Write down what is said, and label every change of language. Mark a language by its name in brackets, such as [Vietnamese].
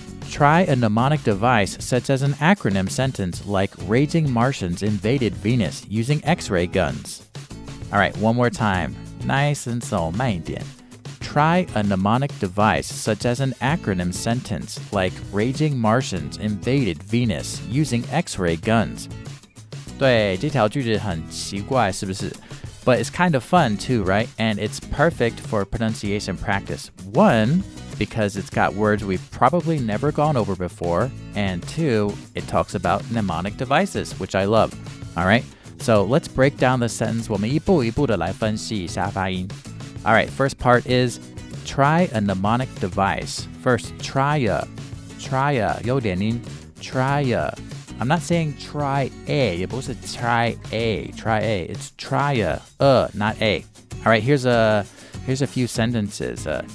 [English] Try a mnemonic device such as an acronym sentence like raging Martians invaded Venus using X-ray guns. All right, one more time. [Chinese] 慢一点. [English] Try a mnemonic device such as an acronym sentence like raging Martians invaded Venus using X-ray guns. [Chinese] 对,这条句子很奇怪,是不是? [English] But it's kind of fun too, right? And it's perfect for pronunciation practice. One, because it's got words we've probably never gone over before. And two, it talks about mnemonic devices, which I love. All right, so let's break down the sentence. [Chinese] 我们一步一步的来分析一下发音。 [English] All right, first part is, try a mnemonic device. First, try a, [Chinese] 有点音, [English] try a. I'm not saying try a, [Chinese] 也不是 [English] try a, it's try a, not a. All right, here's a few sentences.